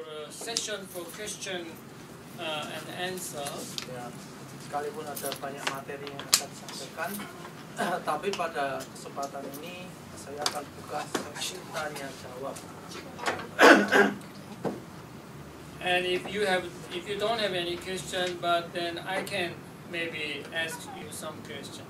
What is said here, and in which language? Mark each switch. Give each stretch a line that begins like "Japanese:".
English: session for question and answer.
Indonesian: Ya, sekalipun ada banyak materi yang akan disampaikan, tapi pada kesempatan ini saya akan buka sesi tanya jawab.
English: And if you don't have any question, but then I can maybe ask you some question.